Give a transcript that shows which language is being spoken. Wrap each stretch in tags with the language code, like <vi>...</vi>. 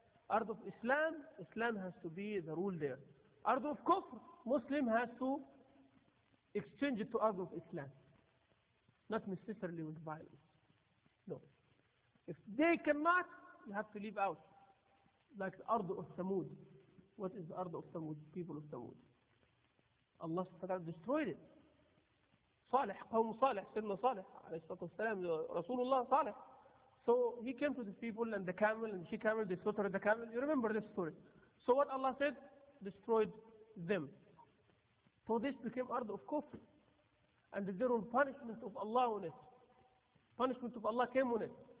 <en>Ard of Islam, Islam has to be the rule there. Ard of Kufr, Muslim has to exchange it to Ard of Islam. Not necessarily with violence. No. If they cannot, you have to leave out. Like the Ard of Thamud. What is the Ard of Thamud? People of Thamud. Allah destroyed it.</en> <ar>صالح قوم صالح سيدنا صالح عليه الصلاة والسلام رسول الله صالح.</ar> <en>So he came to the people and the camel and she camel, they slaughtered the camel. You remember this story. So what Allah said? Destroyed them. So this became ard of kufr. And there was punishment of Allah on it. Punishment of Allah came on it.</en>